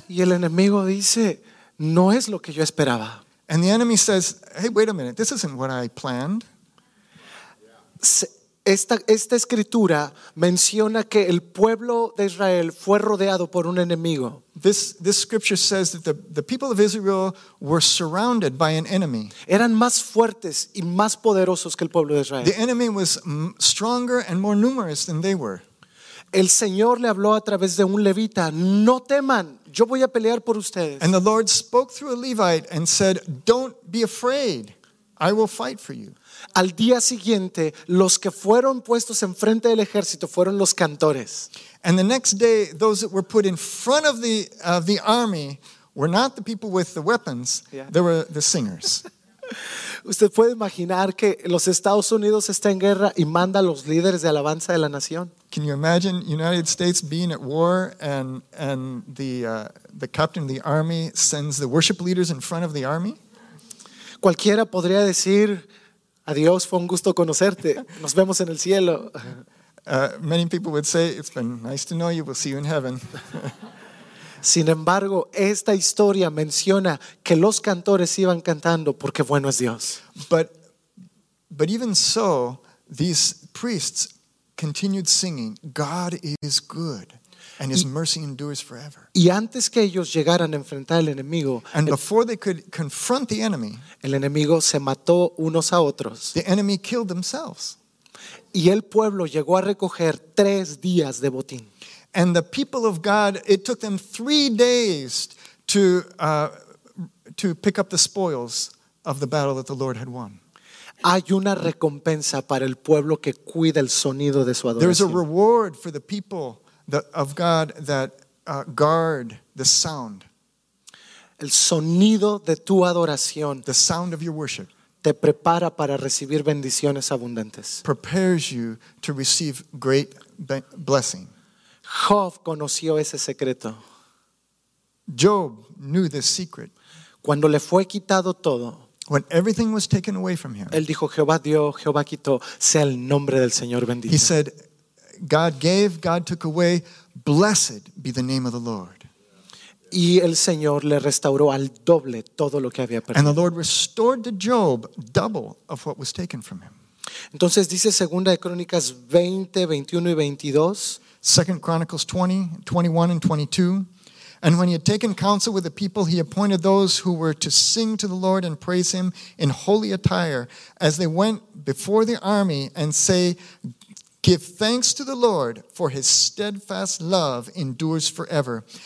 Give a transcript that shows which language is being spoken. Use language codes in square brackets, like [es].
[es] Y el enemigo dice, no es lo que yo esperaba. [en] And the enemy says, hey, wait a minute, this isn't what I planned. [es] Esta escritura menciona que el pueblo de Israel fue rodeado por un enemigo. [en] This scripture says that the people of Israel were surrounded by an enemy. [es] Eran más fuertes y más poderosos que el pueblo de Israel. [en] The enemy was stronger and more numerous than they were. [es] El Señor le habló a través de un levita, no teman, yo voy a pelear por ustedes. [en] And the Lord spoke through a Levite and said, don't be afraid, I will fight for you. [es] Al día siguiente, los que fueron puestos en frente del ejército fueron los cantores. [en] And the next day, those that were put in front of the army were not the people with the weapons, they were the singers. [es] Usted puede imaginar que los Estados Unidos está en guerra y manda a los líderes de alabanza de la nación. [en] Can you imagine United States being at war and the captain of the army sends the worship leaders in front of the army? [es] Cualquiera podría decir, adiós, fue un gusto conocerte, nos vemos en el cielo. [en] Many people would say, it's been nice to know you, we'll see you in heaven. [es] Sin embargo, esta historia menciona que los cantores iban cantando porque bueno es Dios. [en] But even so, these priests continued singing, God is good and his mercy endures forever. [es] Y antes que ellos llegaran a enfrentar al enemigo, [en] and before they could confront the enemy, [es] el enemigo se mató unos a otros. [en] The enemy killed themselves. [es] Y el pueblo llegó a recoger 3 días de botín. [en] And the people of God, it took them 3 days to pick up the spoils of the battle that the Lord had won. [es] Hay una recompensa para el pueblo que cuida el sonido de su adoración. [en] There's a reward for the people of God that guard the sound. [es] El sonido de tu adoración. [en] The sound of your worship. [es] Te prepara para recibir bendiciones abundantes. [en] Prepares you to receive great blessing. [es] Job conoció ese secreto. [en] Job knew this secret. [es] Cuando le fue quitado todo, [en] when everything was taken away from him, [es] él dijo, Jehová dio, Jehová quitó, sea el nombre del Señor bendito. [en] He said, God gave, God took away, blessed be the name of the Lord. [es] Y el Señor le restauró al doble todo lo que había perdido. [en] And the Lord restored to Job double of what was taken from him. [es] Entonces dice 2 Crónicas 20, 21 y 22, [en] 2 Chronicles 20, 21 and 22. And when he had taken counsel with the people, he appointed those who were to sing to the Lord and praise him in holy attire as they went before the army and say, give thanks to the Lord, for his steadfast love endures forever.